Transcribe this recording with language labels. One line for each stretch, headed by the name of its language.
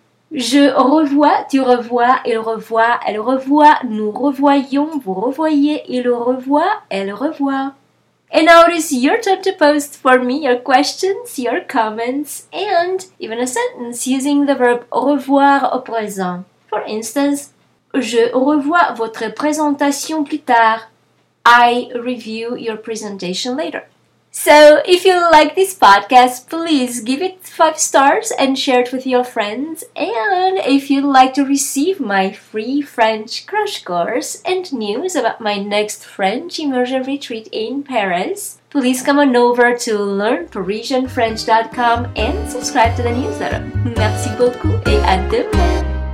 French: Je revois, tu revois, il revoit, elle revoit. Nous revoyons, vous revoyez, il revoit, elle revoit.
English: And now it is your turn to post for me your questions, your comments, and even a sentence using the verb revoir
French: au présent.
English: For instance,
French: je revois votre présentation plus tard.
English: I review your presentation later. So, if you like this podcast, please give it 5 stars and share it with your friends. And if you'd like to receive my free French crash course and news about my next French immersion retreat in Paris, please come on over to learnparisianfrench.com and subscribe to the newsletter.
French: Merci beaucoup et à demain!